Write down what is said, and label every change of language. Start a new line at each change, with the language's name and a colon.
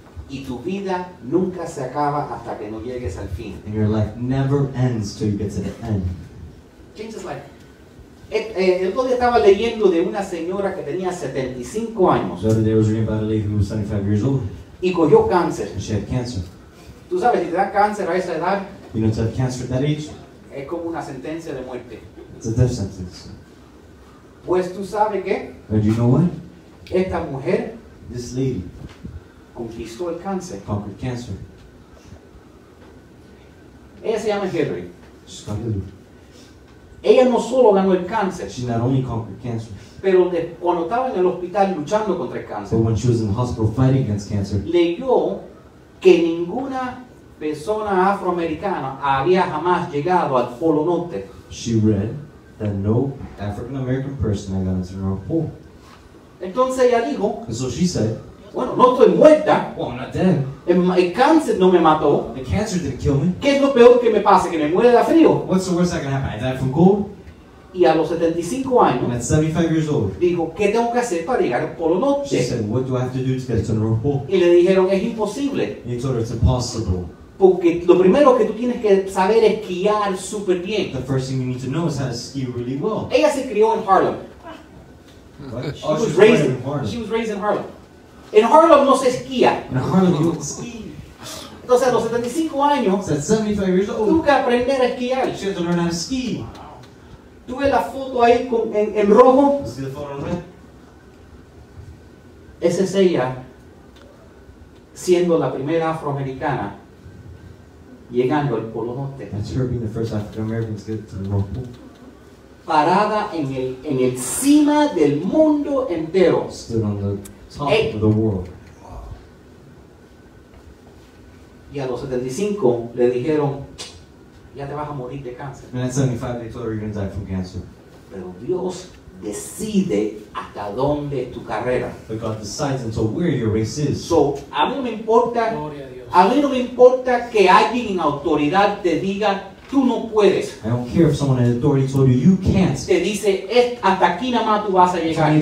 Spanish: Y tu vida nunca se acaba hasta que no llegues al fin.
English: And your life never ends till you get to the end. Changes life.
Spanish: El otro día estaba leyendo de una señora que tenía 75 años.
English: The other day I was reading about a lady who was 75 years old.
Spanish: Y cogió cáncer.
English: And she had cancer.
Spanish: Tú sabes, si te da cáncer a esa edad.
English: You know, to have cancer at that age.
Spanish: Es como una sentencia de muerte.
English: It's a death sentence.
Spanish: Pues tú sabes qué.
English: But you know what?
Spanish: Esta mujer.
English: This lady.
Spanish: Conquistó el cáncer.
English: Conquered cancer.
Spanish: Ella se llama Hillary.
English: She's called Hillary.
Spanish: Ella no solo ganó el cáncer.
English: She not only conquered cancer.
Spanish: Pero de, cuando estaba en el hospital luchando contra el cáncer.
English: But when she was in the hospital fighting against cancer.
Spanish: Leyó que ninguna persona afroamericana había jamás llegado al Polo Norte.
English: She read that no African American person had gotten to the North Pole.
Spanish: Entonces ella dijo.
English: And so she said.
Spanish: Bueno, no estoy muerta.
English: Well, I'm not dead.
Spanish: El cáncer no me mató.
English: The cancer didn't kill me.
Spanish: ¿Qué es lo peor que me pasa? Que me muera de frío.
English: What's the worst that can happen? I died from cold.
Spanish: Y a los 75 años.
English: And at 75 years old.
Spanish: Dijo, ¿qué tengo que hacer para llegar al Polo Norte?
English: She said, what do I have to do to get to the North Pole?
Spanish: Y le dijeron, es imposible.
English: He told her, it's impossible.
Spanish: Porque lo primero que tú tienes que saber es esquiar súper bien.
English: The first thing you need to know is how to ski really well.
Spanish: Ella se crió en Harlem.
English: She was raised in Harlem.
Spanish: En Harlem no se esquía.
English: In Harlem you don't ski.
Spanish: Entonces a los 75 años.
English: So at 75 years old.
Spanish: Tuve que aprender a esquiar.
English: She had to learn how to ski.
Spanish: Tuve la foto ahí con, en rojo.
English: Let's see the photo in red.
Spanish: Esa es ella. Siendo la primera afroamericana. Llegando al Polo Norte.
English: That's her being the first African American to get to the North Pole.
Spanish: Parada en el cima del mundo entero.
English: Stood on the top of the world.
Spanish: Y a los 75 le dijeron, ya te vas a morir de cáncer.
English: And at 75 they told her you're going to die from cancer.
Spanish: Pero Dios decide hasta dónde tu carrera.
English: But God decides until where your race is.
Spanish: So, a mí no me importa. Gloria a Dios. A mí no me importa que alguien en autoridad te diga tú no puedes.
English: I don't care if someone in authority told you you can't.
Spanish: Te dice hasta aquí nada más tú vas a llegar.